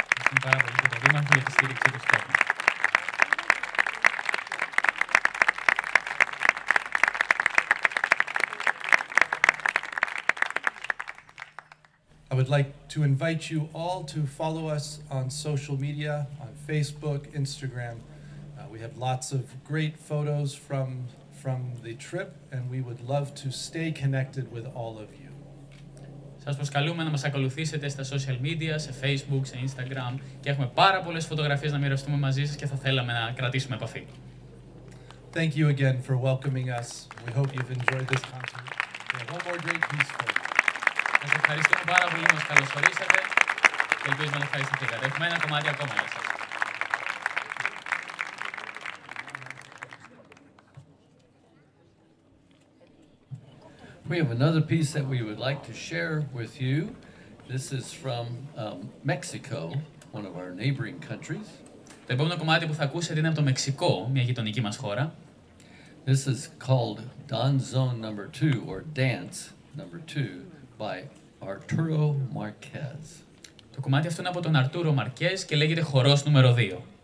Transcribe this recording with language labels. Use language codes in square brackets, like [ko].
[en] I would like to invite you all to follow us on social media, on Facebook, Instagram. We have lots of great photos from the trip, and we would love to stay connected with all of you. [el] Σας προσκαλούμε να μας ακολουθήσετε στα social media, σε Facebook, σε Instagram, και έχουμε πάρα πολλές φωτογραφίες να μοιραστούμε μαζί σας και θα θέλαμε να κρατήσουμε επαφή. [en] Thank you again for welcoming us. We hope you've enjoyed this concert. We have one more great piece for you. [el] Σας ευχαριστούμε πάρα πολύ που μας καλωσορίσατε και ελπίζουμε να ευχαριστηθείτε καλύτερα. Έχουμε ένα κομμάτι ακόμα για σας. [en] We have another piece that we would like to share with you. This is from Mexico, one of our neighboring countries. [el] Το επόμενο κομμάτι που θα ακούσετε είναι από το Μεξικό, μια γειτονική μας χώρα. [en] This is called Danzón number 2 or Dance number 2. By Arturo Márquez. [el] Το κομμάτι αυτό είναι από τον Αρτούρο Μαρκέζ και λέγεται Χορός νούμερο 2.